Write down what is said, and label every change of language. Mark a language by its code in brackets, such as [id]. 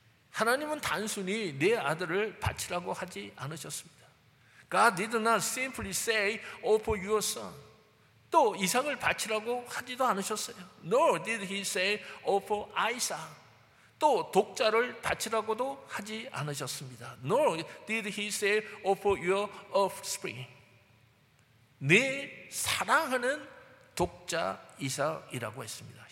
[ko] 하나님은 단순히 내 아들을 바치라고 하지 않으셨습니다. [en] God did not simply say, offer your son. [ko] 또 이삭을 바치라고 하지도 않으셨어요. [en] Nor did he say, offer Isaac. [ko] 또 독자를 바치라고도 하지 않으셨습니다. [en] Nor did he say, offer your offspring. [ko] 네 사랑하는 독자 이삭이라고 했습니다.